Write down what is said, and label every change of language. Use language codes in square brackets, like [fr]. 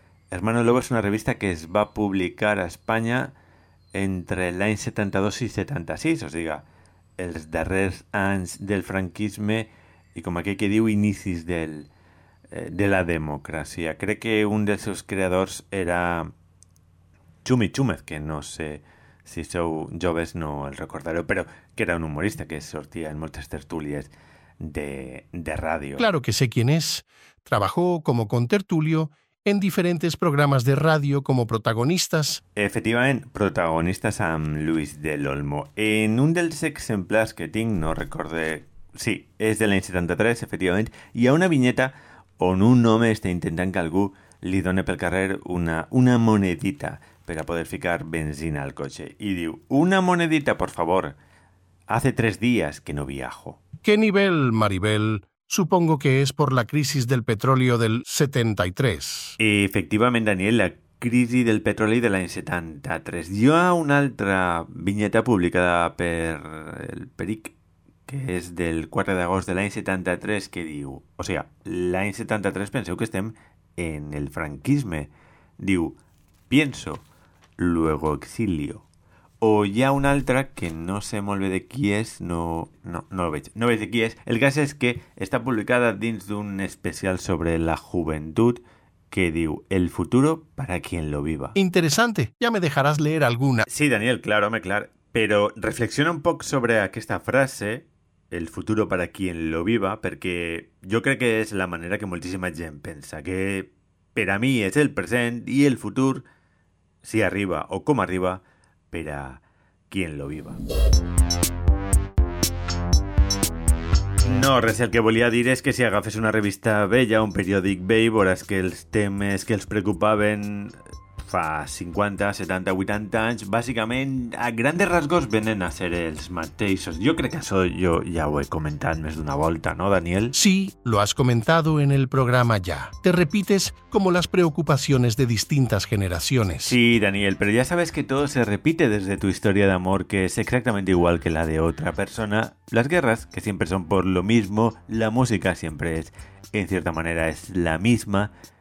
[ca] Hermano Lobo és una revista que es va publicar a Espanya entre l'any 72 i 76, o sigui, els darrers anys del franquisme i, com aquell que diu, inicis de la democràcia. Crec que un dels seus creadors era Txumi Txúmez, que no sé si sou joves, no el recordareu, però que era un humorista que sortia en moltes tertúlies de ràdio. [es] Claro que sé quién es. Trabajó como contertulio en diferentes programas de ràdio como protagonistas. [ca] Efectivament, protagonistas amb Luis del Olmo. En un dels exemplars que tinc, no recorde... Sí, és de l'any 73, efectivament, hi ha una vinyeta on un home està intentant que algú li doni pel carrer una monedita per a poder ficar benzina al cotxe. [es] I diu, una monedita, por favor. Hace 3 días que no viajo. ¿Qué nivel, Maribel? Supongo que es por la crisis del petróleo del 73. [ca] Efectivament, Daniel, la crisi del petroli de l'any 73. Hi ha una altra vinyeta publicada per el Peric, que és del 4 d'agost de l'any 73, que diu... O sigui, l'any 73 penseu que estem en el franquisme. [es] Diu, pienso, luego exilio. [ca] O hi ha una altra que no sé molt bé de qui és, no veig de qui és. El cas és que està publicada dins d'un especial sobre la joventut que diu, [es] el futuro para quien lo viva. Interesante, ya me dejarás leer alguna. [ca] Sí, Daniel, claro, home, clar. Però reflexiona un poc sobre aquesta frase... [es] El futuro para quien lo viva, [ca] perquè jo crec que és la manera que moltíssima gent pensa, que per a mi és el present i el futur, si arriba o com arriba, per a [es] quien lo viva. [ca] No, res, el que volia dir és que si agafes una revista vella, un periòdic vell, veuràs que els temes que els preocupaven fa 50, 70, 80 anys, bàsicament, [es] a grandes rasgos, [ca] venen a ser els mateixos. Jo crec que això jo ja ho he comentat més d'una volta, no, Daniel? [es] Sí, lo has comentado en el programa ya. Te repites como las preocupaciones de distintas generaciones. Sí, Daniel, pero ya sabes que todo se repite desde tu historia de amor, que es exactamente igual que la de otra persona. Las guerras, que siempre son por lo mismo, la música siempre es, en cierta manera, es la misma.